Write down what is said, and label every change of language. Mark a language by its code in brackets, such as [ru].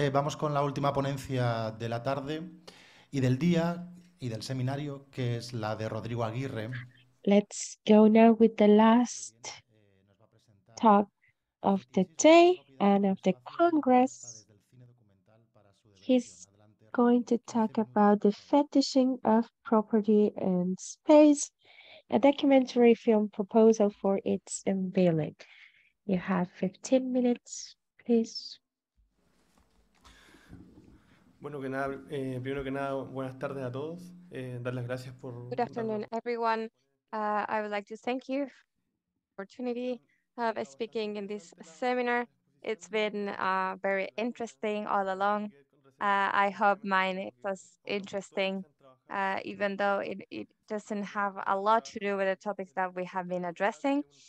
[es] Vamos con la última ponencia de la tarde y del día y del seminario, que es la de Rodrigo Aguirre. [en] Let's go now with the last talk of the day and of the Congress. He's going to talk about the fetishing of property and space, a documentary film proposal for its unveiling. You have 15 minutes, please. [es] Bueno, que nada, primero que nada, buenas tardes a todos. Dar las gracias por... [en] Good afternoon, everyone. I would like to thank you for the opportunity of speaking in this seminar. It's been very interesting all along. I hope mine was interesting, even though it doesn't have a lot to do with the topics that we have been addressing.